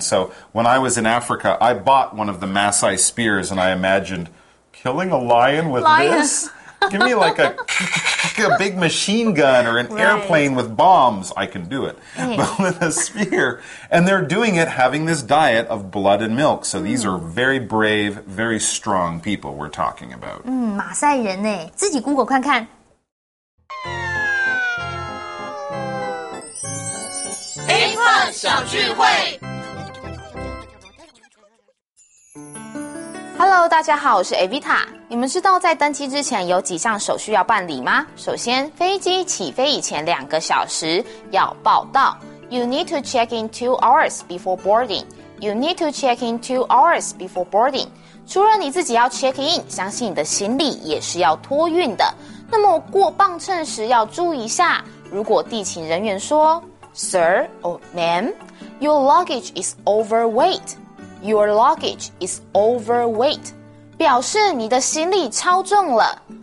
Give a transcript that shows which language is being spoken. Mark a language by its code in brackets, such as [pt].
[en] So when I was in Africa, I bought one of the Maasai spears and I imagined killing a lion with this? Give me like a big machine gun or an right. airplane with bombs. I can do it. Hey. But with a spear. And they're doing it having this diet of blood and milk. So these are very brave, very strong people we're talking about. [zh] 马赛人耶。自己 Google 看看。 A-Plus 小聚会。大家好，我是 Evita。你们知道在登机之前有几项手续要办理吗？首先，飞机起飞以前两个小时要报到。 [en] You need to check in 2 hours before boarding. You need to check in 2 hours before boarding. [zh] 除了你自己要 check in， 相信你的行李也是要托运的。那么过磅秤时要注意一下，如果地勤人员说 [en] Sir or Ma'am, your luggage is overweight. Your luggage is overweight， [zh] 表示你的行李超重了。